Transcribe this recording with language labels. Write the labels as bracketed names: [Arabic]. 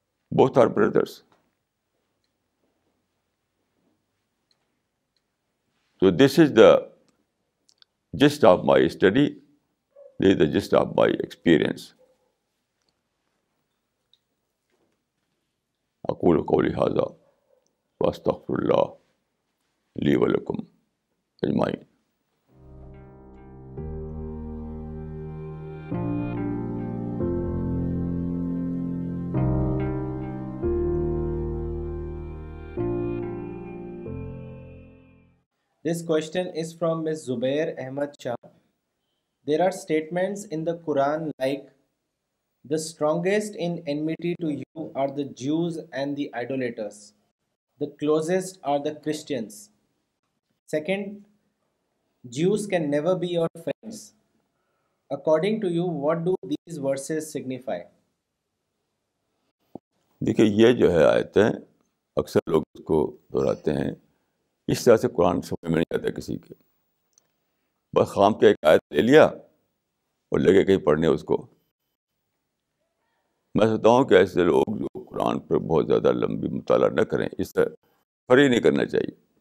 [English] Both are brothers. So this is the gist of my study. This is the gist of my experience. [Arabic] أقول قولي هذا واستغفر الله لي ولكم أجمعين. [English] This question is from Ms. Zubair Ahmed Shah. There are statements in the Quran like, the strongest in enmity to you are the Jews and the idolaters. The closest are the Christians. Second, Jews can never be your friends. According to you, what do these verses signify? [Hindi] देखिए ये जो है आयतें अक्सर लोग इसको दोहराते हैं. इस तरह से कुरान समझ में नहीं आता किसी के. बस खाम के एक आयत ले लिया और लगे कहीं पढ़ने उसको. मैं सोचता हूँ कि ऐसे लोग जो कुरान पर बहुत ज़्यादा लंबी मुताला न करें, इस तरह फ्री नहीं करना चाहिए.